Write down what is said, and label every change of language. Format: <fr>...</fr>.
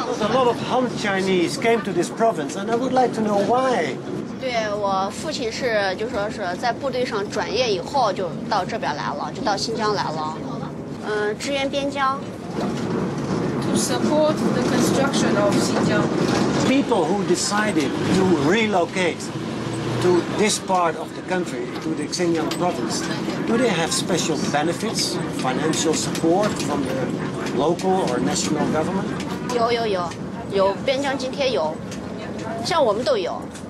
<en>A lot of Han Chinese came to this province, and I would like to know why.</en> <zh>对，我父亲是就说是在部队上转业以后就到这边来了，就到新疆来了，支援边疆。</zh> <en>Support the construction of Xinjiang. People who decided to relocate to this part of the country, to the Xinjiang province, do they have special benefits, financial support from the local or national government?</en> <zh>有边疆津贴，像我们都有。</zh>